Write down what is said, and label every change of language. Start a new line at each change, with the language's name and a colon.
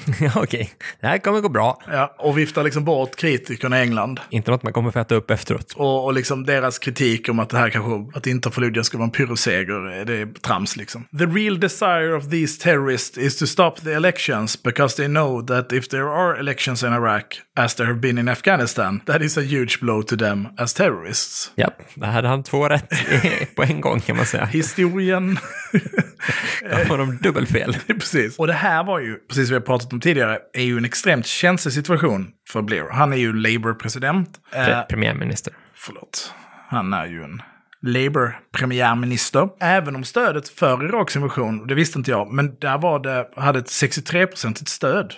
Swedish: Okej, okay. Det här kommer gå bra. Ja, och viftar liksom bort kritikerna i England. Inte något man kommer fäta upp efteråt. Och liksom deras kritik om att det här kanske, att inte Fallujah ska vara en pyrrhusseger, det är trams liksom.
English: "The real desire of these terrorists is to stop the elections, because they know that if there are elections in Iraq, as there have been in Afghanistan, that is a huge blow to them as terrorists."
Swedish: Ja, yep. Det hade han två rätt på en gång kan man säga. Historien. Då har de dubbelfel. Precis. Och det här var ju, precis som vi har pratat om tidigare, är ju en extremt känslig situation för Blair. Han är ju Labour-president. Premiärminister. Förlåt. Han är ju en Labour-premiärminister. Även om stödet för Iraks invasion, det visste inte jag, men där var det, hade ett 63% stöd.